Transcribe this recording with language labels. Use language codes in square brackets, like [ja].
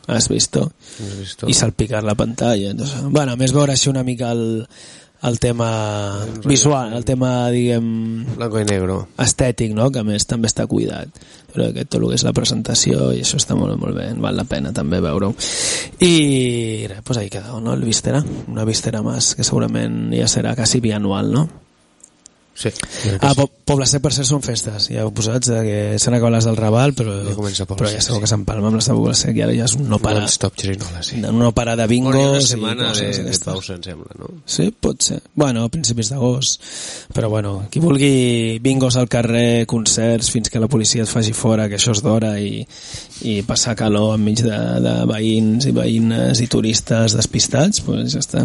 [es] Has visto? Has visto. [ca] I salpicar la pantalla. Entonces, bueno, a més veure així una mica el tema visual, el tema, diguem... [es] Blanco y negro. [ca] Estètic, no? Que a més també està cuidat. Però que tot el que és la presentació i això està molt, molt bé. Val la pena també veure-ho. I res, [es] pues ahí queda, no? El Vístera. Una Vístera más que [ca] segurament ja serà quasi bianual, no? Sí. Poble Sec, per cert, són festes. Ja heu posat que s'han acabat les del Raval, però ja comença Poble Però ja segur que s'empalma amb les de Poble Sec i ara ja és un no parar. Stop Xirinola, sí. No parar de bingos. Una setmana de pausa, em sembla, no? Sí, pot ser. Bueno, a principis d'agost. Però bueno, qui vulgui bingos al carrer, concerts, fins que la policia et faci fora, que això és d'hora, i passar calor enmig de veïns i veïnes i turistes despistats, doncs ja està.